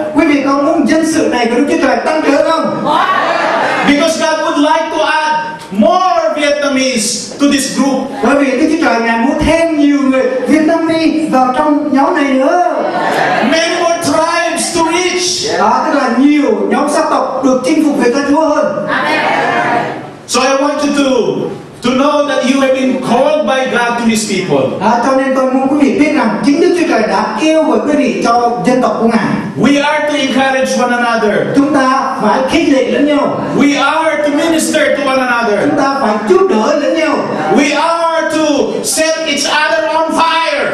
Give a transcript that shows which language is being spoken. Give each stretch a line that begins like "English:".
Vietnamese: Quý vị có muốn dân sự này của Đức Chúa Trời tăng trưởng không?
English: Because God would like to add more Vietnamese to this group.
Vietnamese: Bởi vì Đức Chúa Trời Ngài muốn thêm nhiều người Việt Nam đi vào trong nhóm này nữa.
English: Many more tribes to reach.
Vietnamese: Tức là nhiều nhóm sắc tộc được chinh phục về tay Chúa hơn.
English: So I want you to know that you have been called by God to His people.
Vietnamese: Cho nên tôi muốn quý vị biết rằng chính Đức Chúa Trời đã kêu gọi quý vị cho dân tộc của Ngài.
English: We are to encourage one another.
Vietnamese: Chúng ta phải khích lệ lẫn nhau.
English: We are to minister to one another.
Vietnamese: Chúng ta phải giúp đỡ lẫn nhau.
English: We are to set each other on fire.